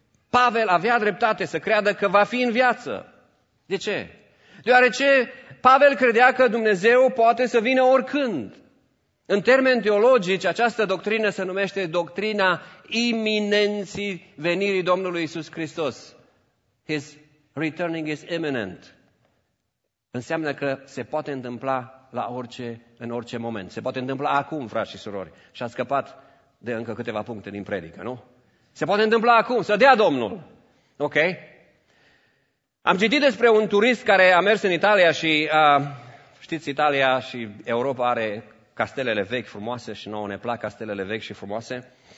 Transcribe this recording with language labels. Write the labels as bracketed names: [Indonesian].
[Romanian] Pavel avea dreptate să creadă că va fi în viață. De ce? Deoarece Pavel credea că Dumnezeu poate să vină oricând. În termeni teologici, această doctrină se numește doctrina iminenții venirii Domnului Iisus Hristos. [English] His returning is imminent. [Romanian] Înseamnă că se poate întâmpla la orice, în orice moment. Se poate întâmpla acum, frați și surori. Și a scăpat de încă câteva puncte din predică, nu? Se poate întâmpla acum, să dea Domnul. Ok? Am citit despre un turist care a mers în Italia și, știți, Italia și Europa are castelele vechi frumoase și nouă ne plac castelele vechi și frumoase.